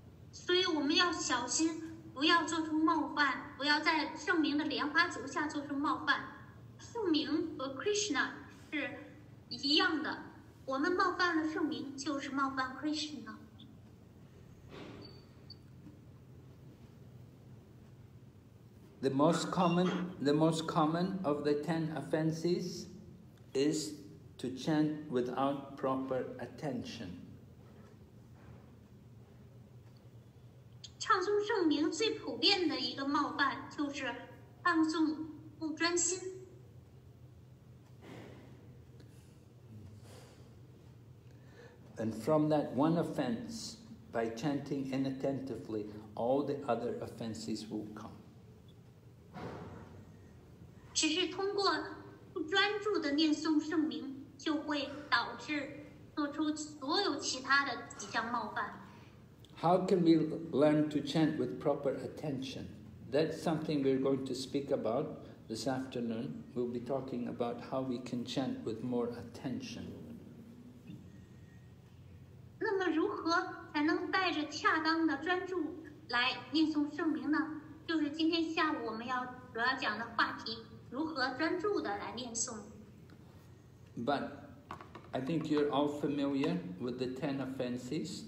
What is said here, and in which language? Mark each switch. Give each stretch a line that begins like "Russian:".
Chinese: 所以我们要小心，不要做出冒犯，不要在圣名的莲花足下做出冒犯。圣名和 Krishna 是一样的，我们冒犯了圣名，就是冒犯 Krishna。
English: The most common of the 10 offenses is to chant without proper attention.
Chinese: 唱诵圣名最普遍的一个冒犯就是唱诵不专心。
English: And from that one offense, by chanting inattentively, all the other offenses will come.
Chinese: 只是通过不专注的念诵圣名，就会导致做出所有其他的几项冒犯。
English: How can we learn to chant with proper attention? That's something we're going to speak about this afternoon. We'll be talking about how we can chant with more attention.
Chinese: 那么如何才能带着恰当的专注来念诵圣名呢？就是今天下午我们要主要讲的话题，如何专注的来念诵。
English: But,I think you're all familiar with the 10 offenses.